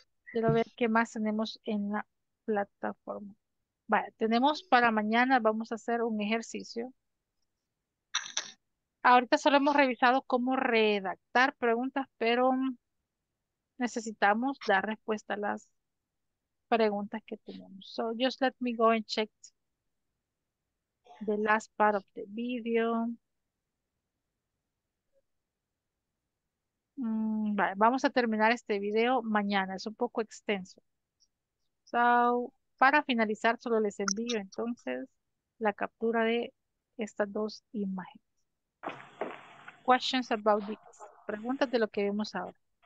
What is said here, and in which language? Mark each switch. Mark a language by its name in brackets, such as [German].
[Spanish] Quiero ver qué más tenemos en la plataforma. Vale, tenemos para mañana, vamos a hacer un ejercicio. Ahorita solo hemos revisado cómo redactar preguntas, pero necesitamos dar respuesta a las preguntas que tenemos. [English] So just let me go and check the last part of the video. [Spanish] Vale, vamos a terminar este video mañana, es un poco extenso. So, para finalizar, solo les envío entonces la captura de estas dos imágenes. [English] Questions about this. [Spanish] Preguntas de lo que vemos ahora.